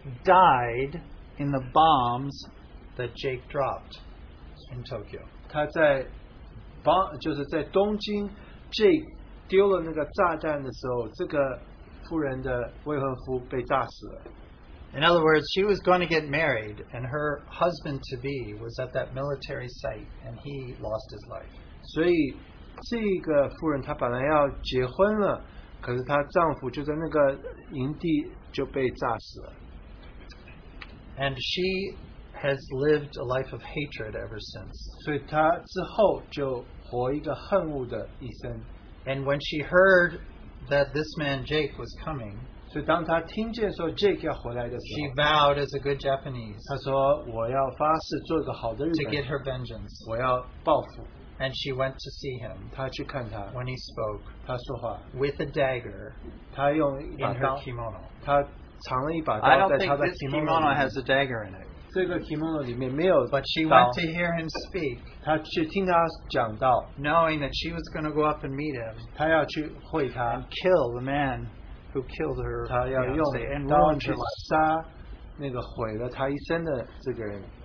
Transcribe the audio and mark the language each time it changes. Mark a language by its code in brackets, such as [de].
[en] died in the bombs that Jake dropped in Tokyo. [zh] 她在东京, Jake 丢了那个炸弹的时候, 这个夫人的未婚夫被炸死了。 [en] In other words, she was going to get married, and her husband-to-be was at that military site, and he lost his life. [zh] 所以这个夫人她本来要结婚了, 可是她丈夫就在那个营地就被炸死了。 [en] And she has lived a life of hatred ever since. [zh] 所以她之后就活一个恨恶的一生。 [en] And when she heard that this man Jake was coming, [zh] 所以当他听见说 Jake 要回来的时候, [en] she vowed as a good Japanese, [zh] 她说我要发誓做个好的日本人, [en] to get her vengeance, [zh] 我要报复, [en] and she went to see him, [zh] 她去看他, [en] when he spoke, [zh] 她说话, [en] with a dagger, [zh] 她用一把刀, [en] in her kimono. [zh] 藏了一把刀在他的 kimono 里面没有, [en] but she went to hear him speak, [zh] 她去听他讲道, [en] knowing that she was going to go up and meet him, [zh] 她要去会他, [en] and kill the man who killed her, [zh] 她要用刀去杀那个毁了她一生的这个人.